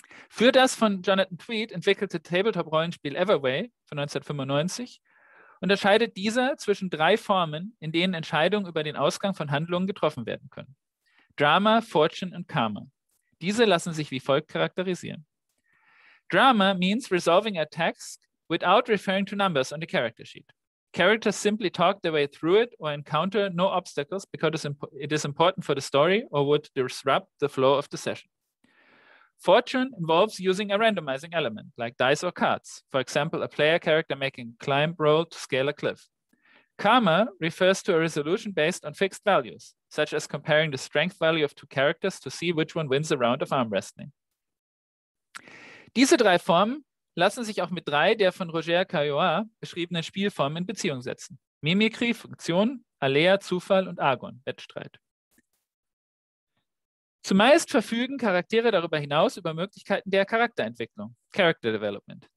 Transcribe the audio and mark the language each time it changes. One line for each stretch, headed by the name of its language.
German: Für das von Jonathan Tweet entwickelte Tabletop-Rollenspiel Everway von 1995 unterscheidet dieser zwischen drei Formen, in denen Entscheidungen über den Ausgang von Handlungen getroffen werden können. Drama, Fortune und Karma. Diese lassen sich wie folgt charakterisieren.
English: Drama means resolving a task without referring to numbers on the character sheet. Characters simply talk their way through it or encounter no obstacles because it is important for the story or would disrupt the flow of the session. Fortune involves using a randomizing element like dice or cards, for example, a player character making a climb roll to scale a cliff. Karma refers to a resolution based on fixed values, such as comparing the strength value of two characters to see which one wins a round of arm wrestling.
German: Diese drei Formen lassen sich auch mit drei der von Roger Caillois beschriebenen Spielformen in Beziehung setzen. Mimikry, Funktion, Alea, Zufall und Argon, Wettstreit. Zumeist verfügen Charaktere darüber hinaus über Möglichkeiten der Charakterentwicklung, Character Development.